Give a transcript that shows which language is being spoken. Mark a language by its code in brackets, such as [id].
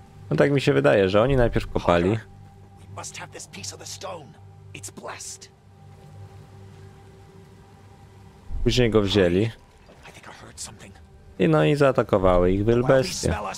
[pl] No tak mi się wydaje, że oni najpierw kopali. [en] Must have this piece of the stone. It's blessed. [pl] Później go wzięli. [en] I think I heard something. [pl] I no i zaatakowały ich wilbestie.